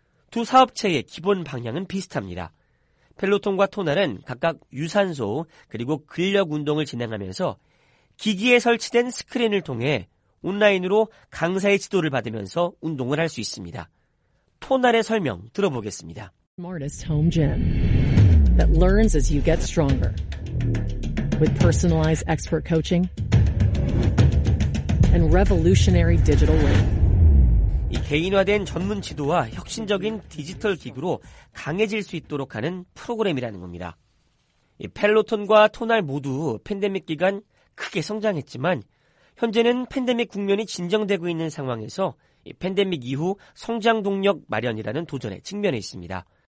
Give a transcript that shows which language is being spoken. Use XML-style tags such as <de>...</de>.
<ko>두 사업체의 기본 방향은 비슷합니다. 펠로톤과 토날은 각각 유산소 그리고 근력 운동을 진행하면서 기기에 설치된 스크린을 통해 온라인으로 강사의 지도를 받으면서 운동을 할 수 있습니다. 토날의 설명 들어보겠습니다.</ko> <en>Smartest home gym that learns as you get stronger with personalized expert coaching and revolutionary digital weight.</en> <ko>이 개인화된 전문 지도와 혁신적인 디지털 기구로 강해질 수 있도록 하는 프로그램이라는 겁니다. 이 펠로톤과 토날 모두 팬데믹 기간 크게 성장했지만 현재는 팬데믹 국면이 진정되고 있는 상황에서 팬데믹 이후 성장 동력 마련이라는 도전의 측면에 있습니다.</ko>